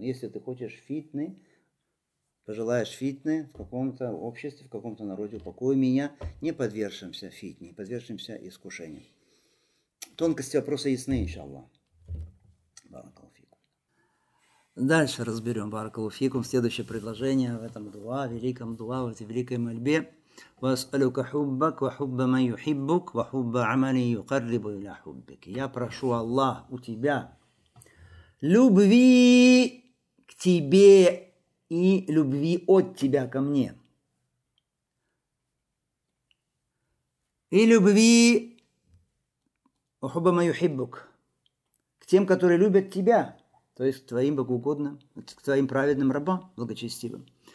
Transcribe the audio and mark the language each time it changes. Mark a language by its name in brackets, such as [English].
[Russian] Если ты хочешь фитны, пожелаешь фитны в каком-то обществе, в каком-то народе, упокой меня, не подвержимся фитне, подвержимся искушению. Тонкости вопроса ясны, иншаллах. Дальше разберем баракалу фикум. Следующее предложение в этом дуа, в великом дуа, в этой великой мольбе. [Arabic] وأسألك حبك وحب من يحبك وحب عملي يقرب إلى حبك. [Russian] Я прошу Аллах у тебя любви к тебе и любви от тебя ко мне. И любви [Arabic] وحب من يحبك [Russian] к тем, которые любят тебя, то есть к твоим богоугодным, к твоим праведным рабам, благочестивым.